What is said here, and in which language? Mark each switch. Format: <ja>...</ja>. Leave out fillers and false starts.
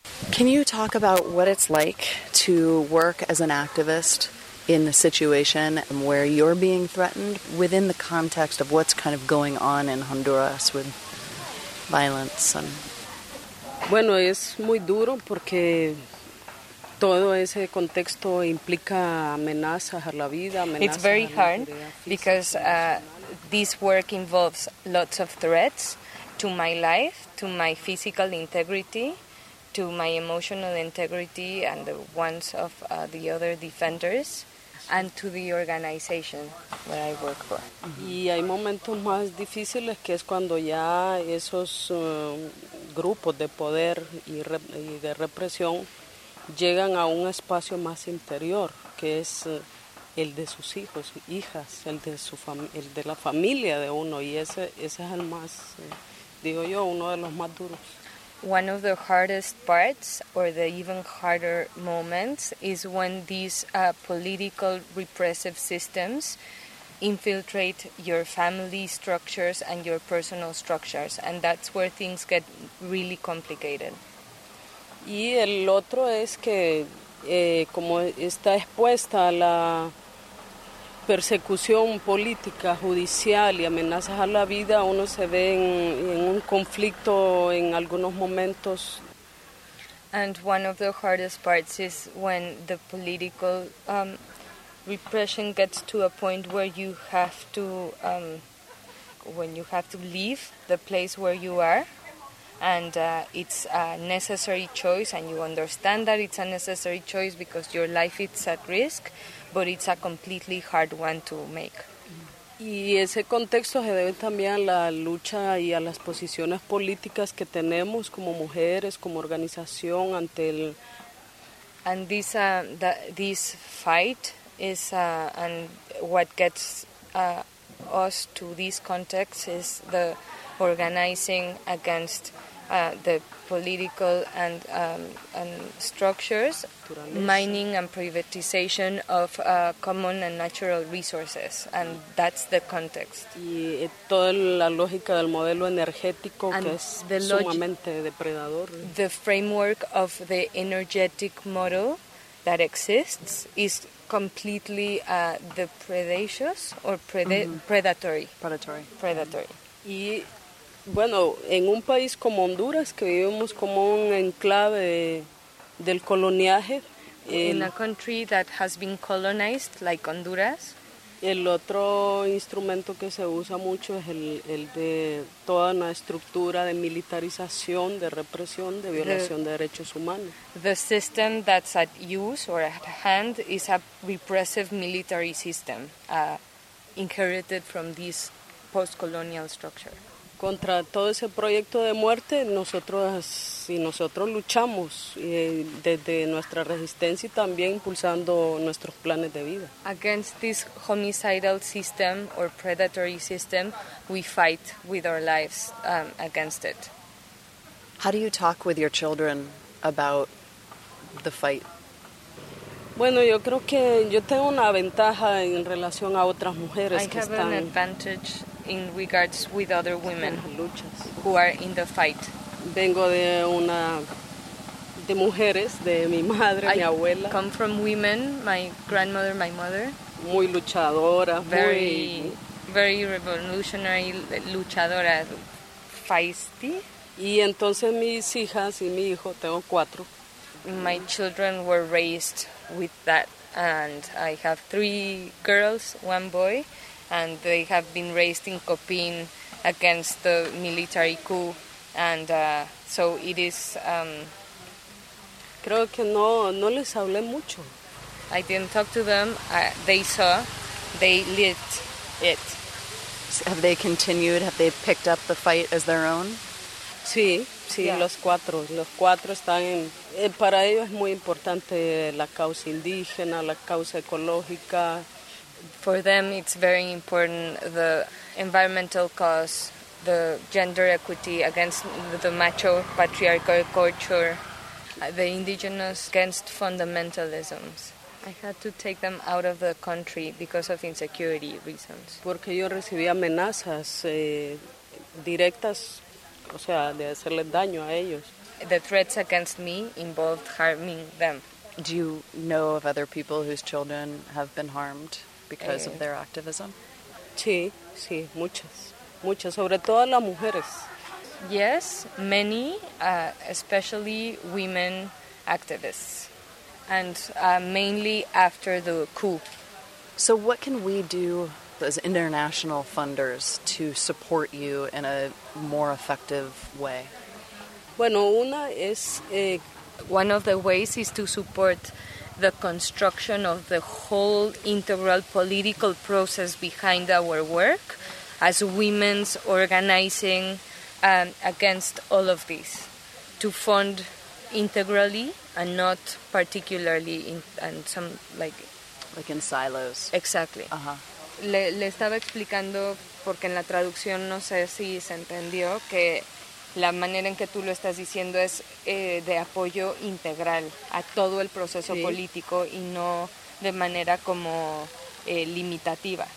<en>Can you talk about what it's like to work as an activist in the situation where you're being threatened within the context of what's kind of going on in Honduras with violence? And</en> <es>bueno, es muy duro porque todo ese contexto implica amenazas a la vida.</es> <en>It's very hard because this work involves lots of threats to my life, to my physical integrity, to my emotional integrity and the ones of the other defenders, and to the organization where I work for.</en> <es>Y hay momentos más difíciles que es cuando ya esos grupos de poder y de represión llegan a un espacio más interior, que es el de sus hijos, hijas, el de la familia de uno, y ese es el más, digo yo, uno de los más duros.</es> <en>One of the hardest parts, or the even harder moments, is when these political repressive systems infiltrate your family structures and your personal structures, and that's where things get really complicated.</en> <es>Y el otro es que como está expuesta a la persecución política, judicial y amenazas a la vida, uno se ve en un conflicto en algunos momentos.</es> <en>And one of the hardest parts is when the political repression gets to a point where you have to leave the place where you are. And it's a necessary choice, and you understand that it's a necessary choice because your life is at risk, but it's a completely hard one to make.</en> <es>Y ese contexto se debe también a la lucha y a las posiciones políticas que tenemos como mujeres, como organización ante el.</es> <en>And this this fight is and what gets us to this context is the organizing against the political and structures, mining and privatization of common and natural resources, and that's the context.</en> <es>Y toda la lógica del modelo energético que es sumamente depredador.</es> <en>The framework of the energetic model that exists is completely the predacious or predatory. Predatory. Predatory.</en> <es>Y bueno, en un país como Honduras, que vivimos como un enclave del coloniaje.</es> <en>In a country that has been colonized, like Honduras.</en> <es>El otro instrumento que se usa mucho es el de toda una estructura de militarización, de represión, de violación de derechos humanos.</es> <en>The system that's at use or at hand is a repressive military system, inherited from this post-colonial structure.</en> <es>Contra todo ese proyecto de muerte, nosotros luchamos desde nuestra resistencia y también impulsando nuestros planes de vida.</es> <en>Against this homicidal system or predatory system, we fight with our lives against it. How do you talk with your children about the fight?</en> <es>Bueno, yo creo que yo tengo una ventaja en relación a otras mujeres</es> <en>I</en> <es>que</es> <en>have</en> <es>están</es> <en>an advantage in regards with other women who are in the fight.</en> <es>Vengo de una de mujeres, de mi madre, mi abuela.</es> <en>I come from women, my grandmother, my mother.</en> <es>Muy luchadora,</es> <en>very, very revolutionary, luchadora, feisty.</en> <es>Y entonces mis hijas y mi hijo, tengo cuatro.</es> <en>My children were raised with that, and I have three girls, one boy. And they have been raised in Copin against the military coup, and so it is.</en> <es>Creo que no les hablé mucho.</es> <en>I didn't talk to them. They saw, they lit it. Have they continued? Have they picked up the fight as their own?</en> <es>Sí, Sí, yeah. los cuatro están en, para ellos es muy importante la causa indígena, la causa ecológica.</es> <en>For them it's very important the environmental cause, the gender equity against the macho patriarchal culture, the indigenous against fundamentalisms. I had to take them out of the country because of insecurity reasons.</en> <es>Porque yo recibí amenazas directas, o sea, de hacerles daño a ellos.</es> <en>The threats against me involved harming them. Do you know of other people whose children have been harmed because of their activism?</en> <es>Sí, sí, muchas. Muchas, sobre todo las mujeres.</es> <en>Yes, many, especially women activists. And mainly after the coup. So what can we do as international funders to support you in a more effective way?</en> <es>Bueno, una es</es> <en>one of the ways is to support the construction of the whole integral political process behind our work as women's organizing against all of this, to fund integrally and not particularly in and some like in silos. Exactly. Uh-huh.</en> <es>Le estaba explicando, porque en la traducción no sé si se entendió, que la manera en que tú lo estás diciendo es de apoyo integral a todo el proceso sí. político y no de manera como limitativa.</es>